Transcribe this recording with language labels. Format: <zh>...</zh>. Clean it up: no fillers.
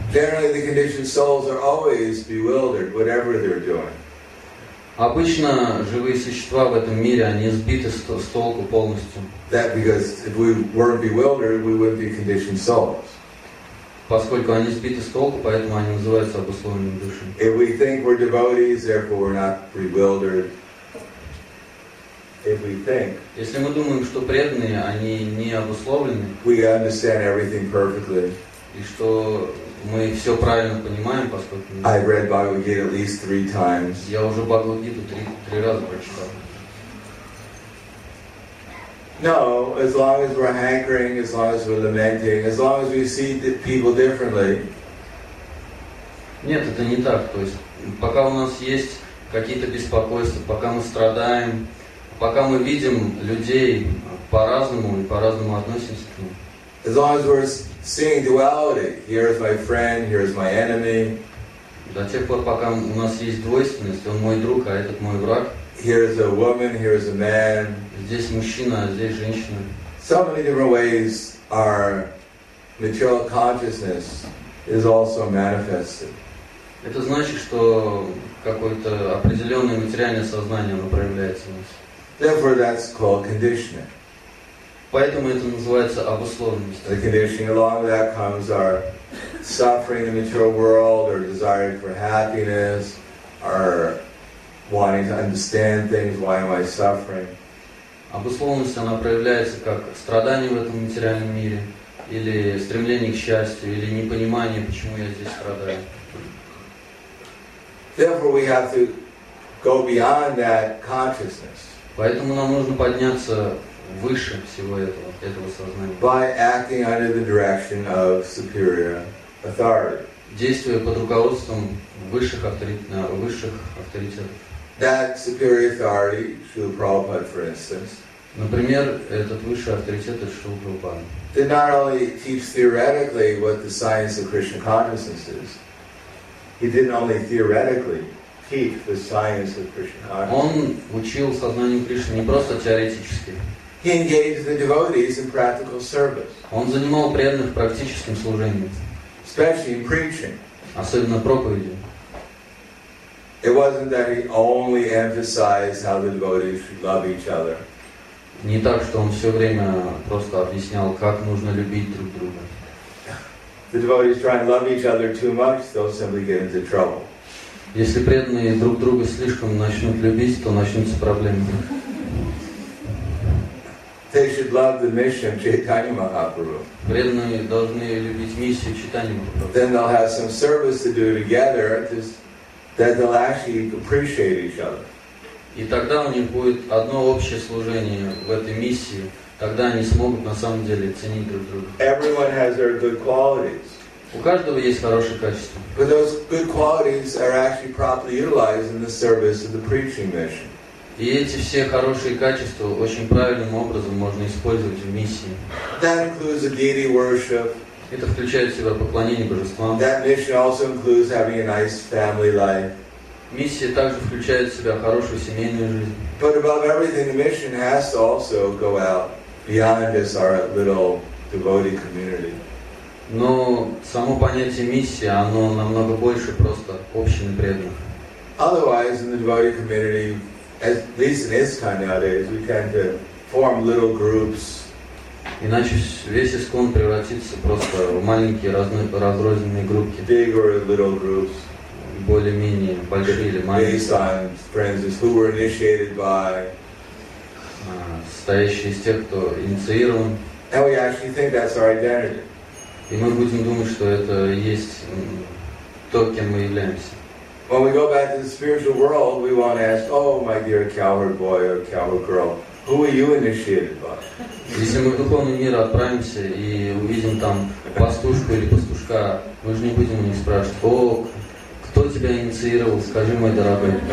<en>Generally, the conditioned souls are always bewildered, whatever they're doing.</en> <ru>Обычно живые существа в этом мире они сбиты с толку полностью.</ru> <en>That because if we weren't bewildered, we wouldn't be conditioned souls.</en> <ru>Поскольку они сбиты с толку, поэтому они называются обусловленными душами.</ru> <en>If we think we're devotees, therefore we're not bewildered. If we think,</en> <ru>если мы думаем, что преданные, они не обусловлены,</ru> <en>we understand everything perfectly.</en> <ru>И что мы все правильно понимаем, поскольку</ru> <en>I've read Bhagavad Gita at least three times.</en> <ru>Я уже Бхагавад Гиту три раза прочитал.</ru> <en>No, as long as we're hankering, as long as we're lamenting, as long as we see the people differently.</en> <ru>Нет, это не так. То есть, пока у нас есть какие-то беспокойства, пока мы страдаем. Пока мы видим людей по-разному и по-разному относимся к ним.</ru> <en>As long as we're seeing duality, here is my friend, here is my enemy.</en> <ru>До тех пор, пока у нас есть двойственность, он мой друг, а этот мой враг.</ru> <en>Here is a woman, here is a man.</en> <ru>Здесь мужчина, а здесь женщина.</ru> <en>So many different ways our material consciousness is also manifested.</en> <ru>Это значит, что какое-то определенное материальное сознание оно проявляется у нас.</ru> <en>Therefore, that's called conditioning.</en> <ru>Поэтому это называется обусловленность.</ru> <en>The conditioning, along with that, comes our suffering in the material world, our desire for happiness, our wanting to understand things. Why am I suffering?</en> <ru>Обусловленность она проявляется как страдание в этом материальном мире или стремление к счастью или непонимание, почему я здесь страдаю.</ru> <en>Therefore, we have to go beyond that consciousness.</en> <ru>Поэтому нам нужно подняться выше всего этого сознания.</ru> <en>By acting under the direction of superior authority.</en> <ru>Действуя под руководством высших авторитетов.</ru> <en>That superior authority, Śrīla Prabhupāda, for instance.</en> <ru>Например, этот высший авторитет Śrīla Prabhupāda.</ru> <en>Did not only teach theoretically what the science of Krishna consciousness is. He didn't only theoretically teach the science of Krishna.</en> <ru>Он учил сознанию Кришны не просто теоретически.</ru> <en>He engaged the devotees in practical service.</en> <ru>Он занимал преданных практическим служением.</ru> <en>Especially in preaching.</en> <ru>Особенно проповедью.</ru> <en>It wasn't that he only emphasized how the devotees should love each other.</en> <ru>Не так, что он все время просто объяснял, как нужно любить друг друга.</ru> <en>The devotees try and love each other too much, they'll simply get into trouble.</en> <ru>Если преданные друг друга слишком начнут любить, то начнутся проблемы.</ru> <en>They should love the mission Chaitanya Mahaprabhu.</en> <ru>Преданные должны любить миссию Чайтанья Махапрабху.</ru> <en>Then they'll have some service to do together, just that they'll actually appreciate each other.</en> <ru>И тогда у них будет одно общее служение в этой миссии, тогда они смогут на самом деле ценить друг друга.</ru> <en>Everyone has their good qualities.</en> <ru>У каждого есть хорошие качества.</ru> <en>But those good qualities are actually properly utilized in the service of the preaching mission.</en> <ru>И эти все хорошие качества очень правильным образом можно использовать в миссии.</ru> <en>That includes a deity worship.</en> <ru>Это включает в себя поклонение божествам.</ru> <en>That mission also includes having a nice family life.</en> <ru>Миссия также включает в себя хорошую семейную жизнь.</ru> <en>But above everything, the mission has to also go out beyond this our little devotee community.</en> <ru>Но само понятие миссии, оно намного больше просто общины преданных.</ru> <en>Otherwise, in the devotee community, at least in ISKCON nowadays, we tend to form little groups.</en> <ru>Иначе весь ИСККОН превратится просто в маленькие разрозненные группки.</ru> <en>Big or little groups.</en> <ru>Более-менее большие или маленькие.</ru> <en>Based on, for instance, who were initiated by.</en> <ru>Состоящие из тех, кто инициирован.</ru> <en>And we actually think that's our identity.</en> <ru>И мы будем думать, что это есть то, кем мы являемся.</ru> <en>When we go back to the spiritual world, we want to ask, oh, my dear cowherd boy or cowherd girl, who were you initiated by?</en> <ru>Если мы в духовный мир отправимся и увидим там пастушку или пастушка, мы же не будем у них спрашивать, о, кто тебя инициировал, скажи, мой дорогой.</ru>